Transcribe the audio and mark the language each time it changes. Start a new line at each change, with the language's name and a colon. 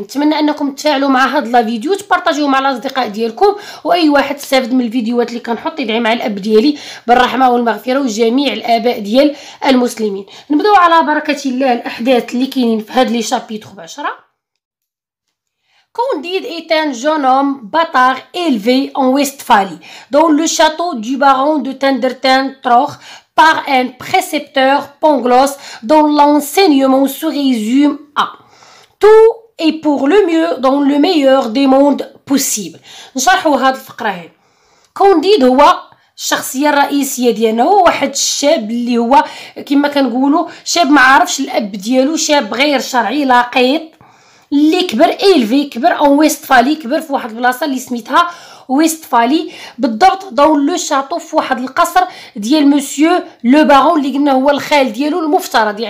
Arabic: نتمنى انكم تفاعلوا مع هاد لا فيديو، تبارطاجيو مع الاصدقاء ديالكم، واي واحد استفاد من الفيديوهات اللي كنحط يدعي مع الاب ديالي بالرحمه والمغفره وجميع الاباء ديال المسلمين. نبداو على بركه الله الاحداث اللي كاينين في هاد لي شابيتغ 10.
French: Candide est un jeune homme bâtard élevé en Westphalie, dans le château du baron de Tendertentroch, par un précepteur Pangloss, dont l'enseignement se résume à « Tout est pour le mieux dans le meilleur des mondes possibles ». Je vais vous dire ce que c'est. Candide est un
Arabic: شخصية الرئيسية ديالنا، هو واحد الشاب اللي هو كما كنقولوا شاب ما عارفش الأب ديالو، شاب غير شرعي لقيط، اللي كبر إلفي كبر أون ويستفالي، كبر في واحد البلاصة اللي سميتها ويستفالي بالضبط، دون لو شاطو في واحد القصر ديال مسيو لو بارون اللي قلنا هو الخال ديالو المفترض.